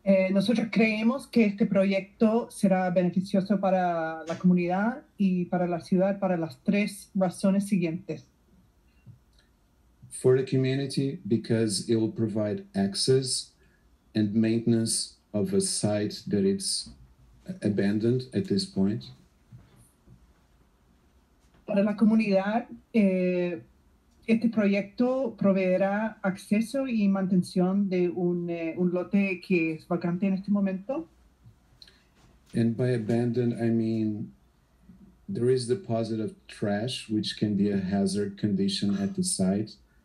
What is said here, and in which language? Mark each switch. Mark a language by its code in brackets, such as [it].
[es] Nosotros creemos que este proyecto será beneficioso para la comunidad y para la ciudad para las tres razones siguientes. [en] For the community, because it will provide access and maintenance of a site that is abandoned at this point. [es] Para la comunidad, este proyecto proveerá acceso y mantención de un lote que es vacante en este momento. [en] And by abandoned, I mean there is deposit of trash, which can be a hazard condition at the site.